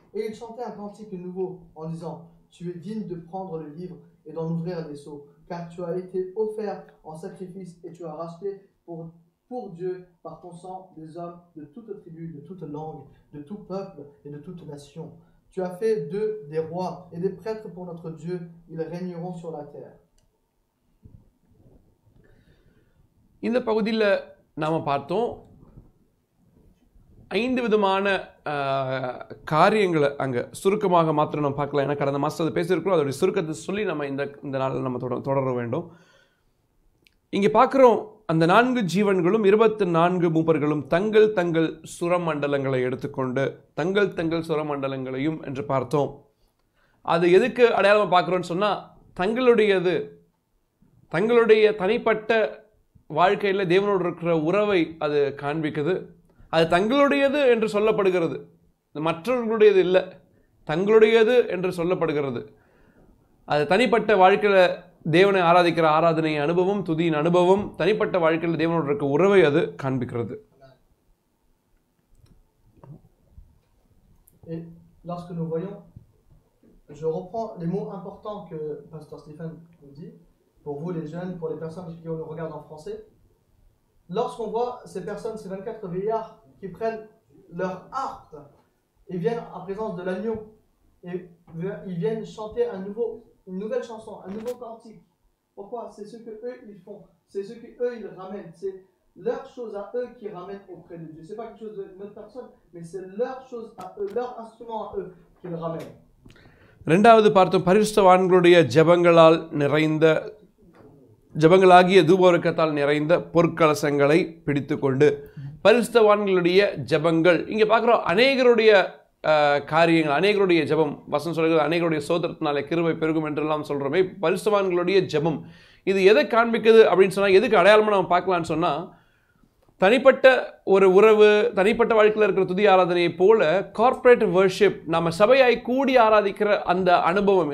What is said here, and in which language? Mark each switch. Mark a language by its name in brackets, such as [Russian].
[French] Et ils chantaient un cantique nouveau en disant « Tu es digne de prendre le livre et d'en ouvrir les sceaux, car tu as été offert en sacrifice et tu as racheté pour Dieu par ton sang des hommes de toute tribu, de toute langue, de tout peuple et de toute nation. Tu as fait d'eux des rois et des prêtres pour notre Dieu, ils régneront sur la terre. » [Tamil] இந்த பகுதியில் நாம் பார்த்தோம், ஐந்து விதமான காரியங்களை அங்கே சுருக்கமாக மாத்திரம் நம்ம பார்க்கலாம். ஏன்னா கடந்த மாதத்தை பேசியிருக்கிறோம், அதோடைய சுருக்கத்தை சொல்லி நம்ம இந்த நாளில் நம்ம தொடர வேண்டும். இங்கே பார்க்குறோம், அந்த நான்கு ஜீவன்களும் 24 மூப்பர்களும் தங்கள் தங்கள் சுரமண்டலங்களை எடுத்துக்கொண்டு தங்கள் தங்கள் சுரமண்டலங்களையும் என்று பார்த்தோம். அது எதுக்கு அடையாளமாக பார்க்குறோன்னு சொன்னால், தங்களுடையது தங்களுடைய தனிப்பட்ட வாழ்க்கையில் தேவனோடு இருக்கிற உறவை அது காண்பிக்குது. அது தங்களுடையது என்று சொல்லப்படுகிறது, மற்றவர்களுடையது இல்லை, தங்களுடையது என்று சொல்லப்படுகிறது. அது தனிப்பட்ட வாழ்க்கையில் தேவனை ஆராதிக்கிற ஆராதனை அனுபவம், துதியின் அனுபவம், தனிப்பட்ட வாழ்க்கையில் தேவனோடு இருக்கிற உறவை அது காண்பிக்கிறது. [French] Lorsque nous voyons, je reprends les mots importants que Pasteur Stéphane nous dit pour vous les jeunes, pour les personnes qui nous regardent en français. Lorsqu'on voit ces personnes, ces 24 vieillards qui prennent leur harpe et viennent en présence de l'agneau et ils viennent chanter à nouveau une nouvelle chanson, un nouveau cantique. Pourquoi? C'est ce que eux ils font, c'est ce que eux ils ramènent, c'est leur chose à eux qui ramènent auprès de Dieu. C'est pas quelque chose d'une autre personne, mais c'est leur chose à eux, leur instrument à eux qu'ils ramènent. [Tamil] ரெண்டாவது பார்த்தோம், பரிசுத்தவான்களுடைய ஜபங்களால் நிறைந்த ஜபங்களாகிய தூபவர்க்கத்தால் நிறைந்த பொற்கலசங்களை பிடித்து கொண்டு பரிசுத்தவான்களுடைய ஜபங்கள். இங்கே பார்க்குறோம் அநேகருடைய காரியங்கள், அநேகருடைய ஜபம். வசனம் சொல்கிறது அநேகருடைய சோதரத்தினாலே கிருபை பெருகும் என்றெல்லாம் சொல்கிறோமே, பரிசுத்தவான்களுடைய ஜபம் இது எதை காண்பிக்குது அப்படின்னு சொன்னால், எதுக்கு அடையாளமாக நம்ம பார்க்கலான்னு சொன்னால், தனிப்பட்ட ஒரு உறவு, தனிப்பட்ட வாழ்க்கையில் இருக்கிற துதி ஆராதனையை போல கார்பரேட் வர்ஷிப், நம்ம சபையாய் கூடி ஆராதிக்கிற அந்த அனுபவம்.